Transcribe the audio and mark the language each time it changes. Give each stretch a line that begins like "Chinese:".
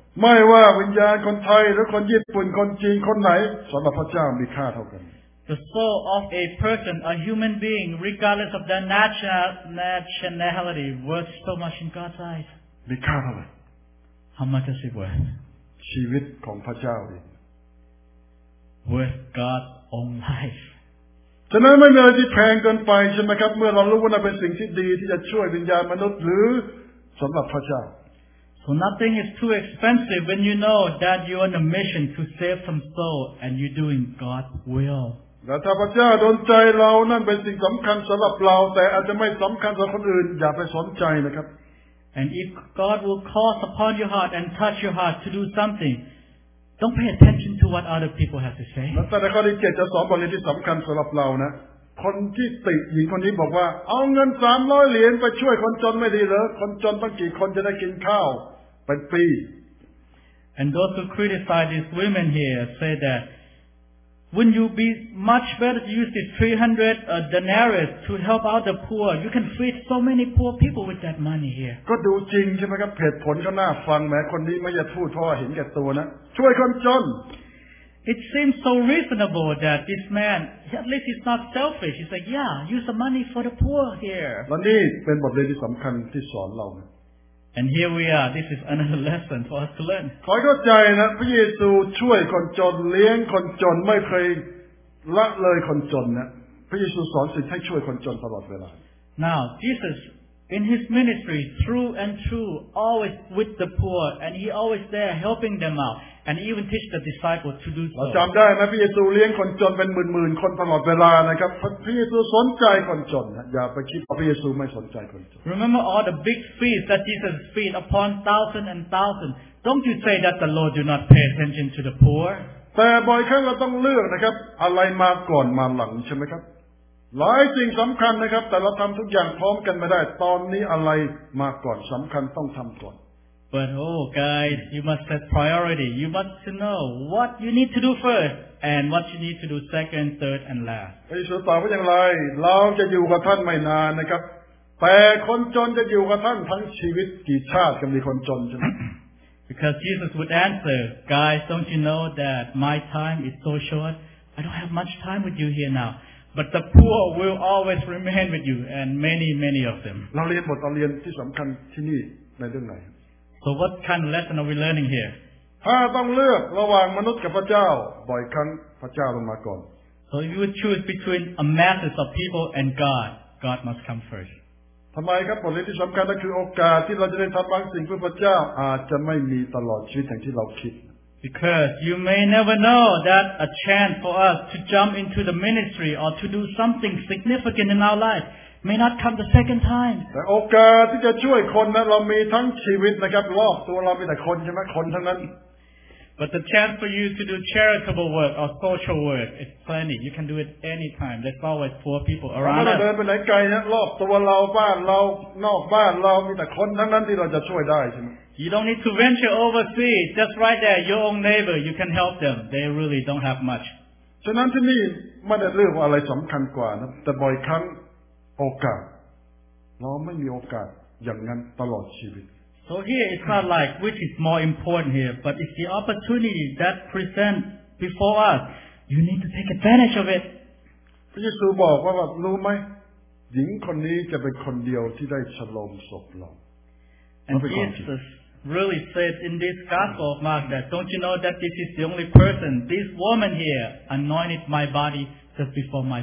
Thai: ไม่ว่าวิญญาณคนไทยหรือคนญี่ปุ่นคนจีนคนไหนสำหรับพระเจ้ามีค่าเท่ากัน
English: The soul of a person, a human being, regardless of their nationality, worth so much in God's eyes.
Thai: มีค่าเท่าไหร่
English: How much is it worth?
Thai: ชีวิตของพระเจ้าเอง
English: With God's own life.
Thai: ฉะนั้นไม่มีอะไรที่แพงเกินไปใช่ไหมครับเมื่อเรารู้ว่านั่นเป็นสิ่งที่ดีที่จะช่วยวิญญาณมนุษย์หรือสำหรับพระเจ้า
English: So nothing is too expensive when you know that you're on a mission to save some soul and you're doing God's will.
Thai: และถ้าพระเจ้าโดนใจเรานั่นเป็นสิ่งสำคัญสำหรับเราแต่อาจจะไม่สำคัญสำหรับคนอื่นอย่าไปสนใจนะครับ
English: And if God will call upon your heart and touch your heart to do something. Don't pay attention to what other people have to say.
Thai: แต่ในข้อที่7จะสอนบทเรียนที่สำคัญสำหรับเรานะคนที่ติหญิงคนนี้บอกว่าเอาเงิน300เหรียญไปช่วยคนจนไม่ดีเหรอคนจนตั้งกี่คนจะได้กินข้าวเป็นปี
English: And those who criticize these women here say that wouldn't you be much better to use the 300 denarius to help out the poor? You can feed so many poor people with that money here.
Thai: ก็ดูจริงใช่ไหมครับเหตุผลก็น่าฟังแม้คนนี้ไม่จะพูดเพราะเห็นแก่ตัวนะช่วยคนจน
English: It seems so reasonable that this man, at least he's not selfish. He's like, yeah, use the money for the poor here.
Thai: และนี่เป็นบทเรียนที่สำคัญที่สอนเรา
English: And here we are. This is another lesson for us to learn.
Thai: ขอให้เข้าใจนะพระเยซูช่วยคนจนเลี้ยงคนจนไม่เคยละเลยคนจนนะพระเยซูสอนสิ่งให้ช่วยคนจนตลอดเวลา
English: Now Jesus. In his ministry, through and through, always with the poor, and he always there helping them out, and even teach the disciples to do so.
Thai: เราจำได้นะพระเยซูเลี้ยงคนจนเป็นหมื่นๆคนตลอดเวลานะครับพระเยซูสนใจคนจนนะอย่าไปคิดว่าพระเยซูไม่สนใจคนจน
English: Remember all the big feasts that Jesus feed upon thousands and thousands. Don't you say that the Lord do not pay attention to the poor?
Thai: แต่บ่อยครั้งเราต้องเลือกนะครับอะไรมาก่อนมาหลังใช่ไหมครับหลายสิ่งสำคัญนะครับแต่เราทำทุกอย่างพร้อมกันไม่ได้ตอนนี้อะไรมาก่อนสำคัญต้องทำก่อน
English: But oh guys you must set priority you must to know what you need to do first and what you need to do second third and last
Thai: พระเยซูตอบว่าอย่างไรเราจะอยู่กับท่านไม่นานนะครับแต่คนจนจะอยู่กับท่านทั้งชีวิตกี่ชาติก็มีคนจนใช่ไหม
English: Because Jesus would answer guys don't you know that my time is so short I don't have much time with you here nowBut the poor will always remain with you, and many, many of them.
Thai: เราเรียนบทเรียนที่สำคัญที่นี่ในเรื่องไหน
English: So what kind of lesson are we learning here?
Thai: ถ้าต้องเลือกระหว่างมนุษย์กับพระเจ้าบ่อยครั้งพระเจ้าลงมาก่อน
English: So if you would choose between a masses of people and God, God must come first.
Thai: ทำไมครับบทเรียนที่สำคัญนั่นคือโอกาสที่เราจะได้ทำบางสิ่งเพื่อพระเจ้าอาจจะไม่มีตลอดชีวิตอย่างที่เราคิด
English: Because you may never know that a chance for us to jump into the ministry or to do something significant in our life may not come the second time.
Thai: แต่โอกาสที่จะช่วยคนนะเรามีทั้งชีวิตนะครับรอบตัวเรามีแต่คนใช่ไหมคนทั้งนั้น
English: But the chance for you to do charitable work or social work is plenty. You can do it anytime. There's always poor people around us.
Thai: เราเดินไปไหนไกลนะรอบตัวเราบ้านเรานอกบ้านเรามีแต่คนทั้งนั้นที่เราจะช่วยได้ใช่ไหม
English: You don't need to venture overseas. Just right there, your own neighbor, you can help them. They really don't have much.
Thai: ฉะนั้นที่นี่ไม่ได้เลือกว่าอะไรสำคัญกว่านะแต่บ่อยครั้งโอกาสเราไม่มีโอกาสอย่างนั้นตลอดชีวิต
English: So here it's not like which is more important here, but it's the opportunity that presents before us. You need to take advantage of it.
Thai: พระเยซูบอกว่าแบบรู้ไหมหญิงคนนี้จะเป็นคนเดียวที่ได้ฉลองศพเรา
English: And Jesus really said in this Gospel of Mark that, don't you know that this is the only person, this woman here, anointed my body just before my